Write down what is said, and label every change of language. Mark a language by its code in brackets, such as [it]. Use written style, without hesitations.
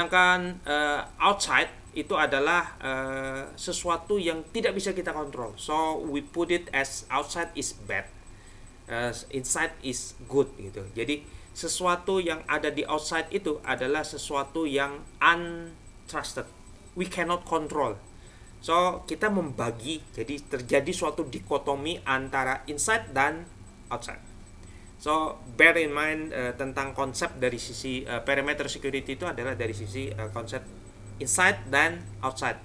[id] Sedangkan outside itu adalah sesuatu yang tidak bisa kita kontrol. [en] So we put it as outside is bad, inside is good gitu. [id] Jadi sesuatu yang ada di outside itu adalah sesuatu yang untrusted, [en] we cannot control. [id] So kita membagi, jadi terjadi suatu dikotomi antara inside dan outside. [en] So bear in mind [id] tentang konsep dari sisi perimeter security itu adalah dari sisi konsep inside dan outside.